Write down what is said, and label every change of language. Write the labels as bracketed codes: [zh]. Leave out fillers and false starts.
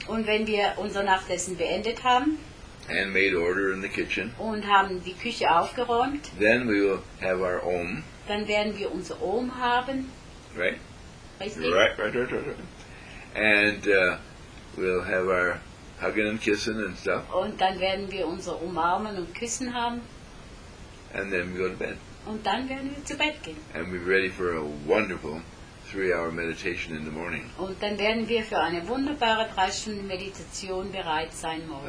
[de] und wenn wir unser Nachtessen beendet haben, [en] and made order in the kitchen, [de] und haben die Küche aufgeräumt, [en] then we will have our Om. [de] Dann werden wir unser Om haben. [en] Right? [de] Richtig. [en] Right. And we'll have our hugging and kissing and stuff. [de] Und dann werden wir unser Umarmen und Küssen haben. [en] And then we go to bed. [de] Und dann werden wir zu Bett gehen. [en] And we're ready for a wonderful 3-hour meditation in the morning. [de] Und dann werden wir für eine wunderbare 3-Stunden Meditation bereit sein morgen.